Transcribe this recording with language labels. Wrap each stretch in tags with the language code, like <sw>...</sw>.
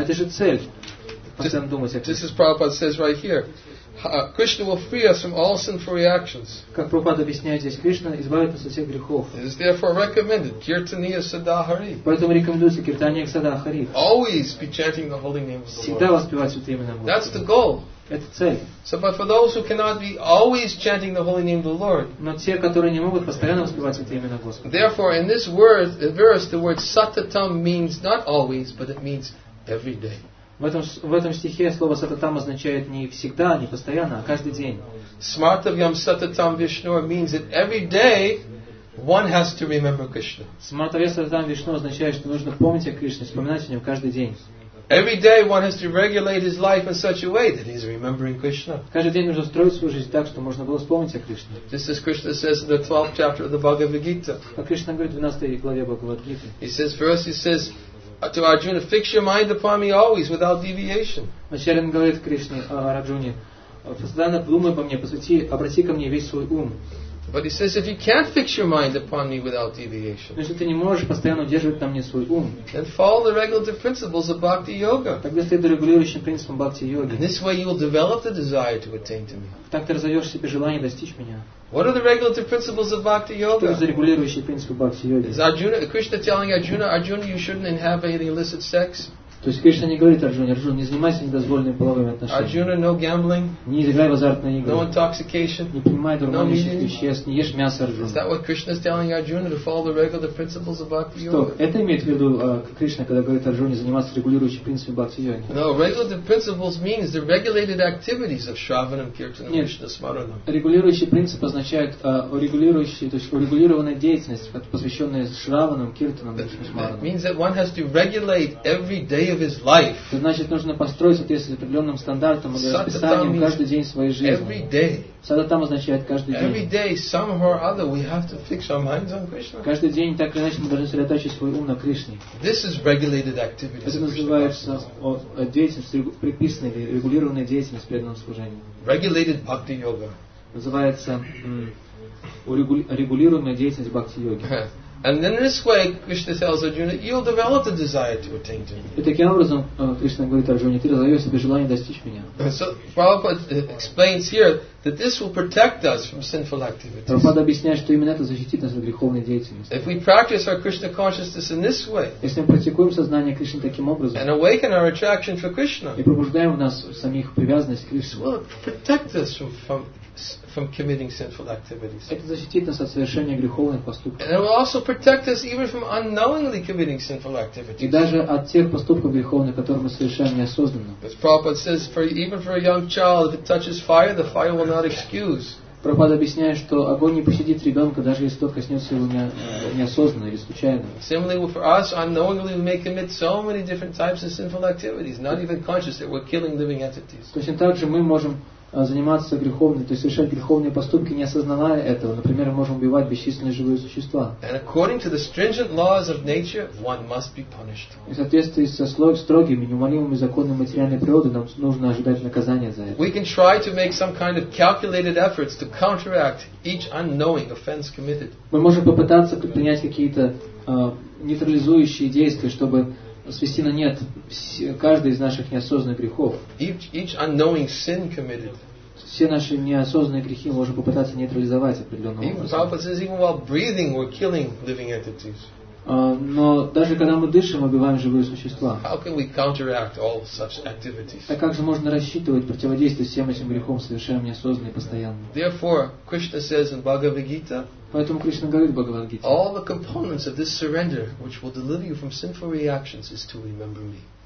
<ru>Это же цель, постоянно думать о Кришне.</ru> <en>This is Prabhupada says right here. Krishna will free us from all sinful reactions.</en> <ru>Как Прабхупада объясняет здесь, Кришна избавит нас от всех грехов.</ru> <en>It is therefore recommended, kirtaniya sadahari.</en> <ru>Поэтому рекомендуется киртания садахари.</ru> <en>Always be chanting the holy name of the Lord.</en> <ru>Всегда воспевать святое имя Господа.</ru> <en>That's the goal.</en> <ru>Это цель.</ru> <en>So, but for those who cannot be always chanting the holy name of the Lord.</en> <ru>Но те, которые не могут постоянно воспевать святое имя Господа.</ru> <en>Therefore, in this word, in verse, the word satatam means not always, but it means every day.</en> <ru>В этом стихе слово сататам означает не всегда, не постоянно, а каждый день.</ru> <sa>Smartavyam satatam vishnur</sa> <en>means that every day one has to remember Krishna.</en> <sa>Smartavyam satatam vishnur</sa> <ru>означает, что нужно помнить о Кришне, вспоминать о нем каждый день.</ru> <en>Every day one has to regulate his life in such a way that he's remembering Krishna.</en> <ru>Каждый день нужно строить свою жизнь так, чтобы можно было вспомнить о Кришне.</ru> <en>Just as Krishna says in the 12th chapter of the Bhagavad Gita.</en> <ru>Как Кришна говорит в 12 главе Бхагавад Гиты.</ru> <en>He says, for us, he says, to Arjuna, fix your mind upon me always without deviation.</en> <ru>Ачарян говорит Кришне, Арджуне, постоянно думай обо мне, посвяти, обрати ко мне весь свой ум.</ru> <en>But he says, if you can't fix your mind upon me without deviation,</en> <ru>если ты не можешь постоянно удерживать на мне свой ум,</ru> <en>then follow the regulative principles of bhakti yoga.</en> <ru>Тогда следуй регулирующим принципам бхакти йоги.</ru> <en>This way you will develop the desire to attain to me.</en> <ru>Так ты разовьешь себе желание достичь меня.</ru> <en>What are the regulative principles of bhakti yoga?</en> <ru>Что за регулирующие принципы бхакти йоги?</ru> <en>Is Arjuna, Krishna telling Arjuna, Arjuna, you shouldn't have any illicit sex?</en> <ru>То есть Кришна не говорит Арджуне, Арджун, не занимайся недозволенными половыми отношениями.</ru> <en>Arjuna, no gambling,</en> <ru>не играй в азартные игры.</ru> <en>No intoxication,</en> <ru>не принимай дурманных веществ, не ешь мясо, Арджуна.</ru> <en>Is that what Krishna is telling Arjuna to follow the regular principles of bhakti yoga?</en> <ru>Что это имеет в виду Кришна, когда говорит Арджуне заниматься регулирующими принципами бхакти йоги?</ru> <en>No, regulative principles means the regulated activities of shravanam, kirtanam, krishna smaranam.</en> <ru>Регулирующие принципы означают регулирующие, то есть урегулированная деятельность, посвященная шраванам, киртанам, кришна смаранам.</ru> <en>Means that one has to regulate every day of his life.</en> <ru>Это значит, нужно построить соответствие определенным стандартам или расписанием каждый день своей жизни.</ru> <en>Every day.</en> <ru>Саддатам означает каждый день.</ru> <en>Every day, somehow or other, we have to fix our minds on Krishna.</en> <ru>Каждый день, так или иначе, мы должны сосредоточить свой ум на Кришне.</ru> <en>This is regulated activity.</en> <ru>Это называется деятельность, предписанная или регулированная деятельность преданного служения.</ru> <en>Regulated bhakti yoga.</en> <ru>Называется регулируемая деятельность бхакти йоги.</ru> <en>And in this way, Krishna tells Arjuna, you'll develop the desire to attain to me.</en> <ru>И таким образом Кришна говорит Арджуне, ты разовьешь себе желание достичь меня.</ru> <en>So Prabhupada explains here that this will protect us from sinful activities.</en> <ru>Прабхупада объясняет, что именно это защитит нас от греховной деятельности.</ru> <en>If we practice our Krishna consciousness in this way,</en> <ru>если мы практикуем сознание Кришны таким образом,</ru> <en>and awaken our attraction for Krishna,</en> <ru>и пробуждаем в нас самих привязанность к Кришне,</ru> <en>will protect us from committing sinful activities.</en> <ru>Это защитит нас от совершения греховных поступков.</ru> <en>And it will also protect us even from unknowingly committing sinful activities.</en> <ru>И даже от тех поступков греховных, которые мы совершаем неосознанно.</ru> <en>As Prabhupada says, for even for a young child, if it touches fire, the fire will not excuse.</en> <ru>Прабхупада объясняет, что огонь не пощадит ребенка, даже если тот коснется его неосознанно или случайно.</ru> <en>Similarly, for us, unknowingly we may commit so many different types of sinful activities, not even conscious that we're killing living entities.</en> <ru>Точно так же мы можем заниматься греховными, то есть совершать греховные поступки, не осознавая этого. Например, мы можем убивать бесчисленные живые существа.</ru> <en>And according to the stringent laws of nature, one must be punished.</en> <ru>И в соответствии со строгими, неумолимыми законами материальной природы, нам нужно ожидать наказания за это.</ru> <en>We can try to make some kind of calculated efforts to counteract each unknowing offense committed.</en> <ru>Мы можем попытаться предпринять какие-то нейтрализующие действия, чтобы свести на нет каждый из наших неосознанных грехов.</ru> <en>Each unknowing sin committed.</en> <ru>Все наши неосознанные грехи можно попытаться нейтрализовать определенным образом.</ru> <en>Even while breathing, we're killing living entities.</en> <ru>Но даже когда мы дышим, убиваем живые существа.</ru> <en>How can we counteract all such activities?</en> <ru>Так как же можно рассчитывать противодействие всем этим грехам, совершаем неосознанно и постоянно?</ru> <en>Therefore, Krishna says in Bhagavad Gita.</en> <ru>Поэтому Кришна говорит в Бхагавад Гите.</ru> <en>All the components of this surrender, which will deliver you from sinful reactions, is to remember me.</en>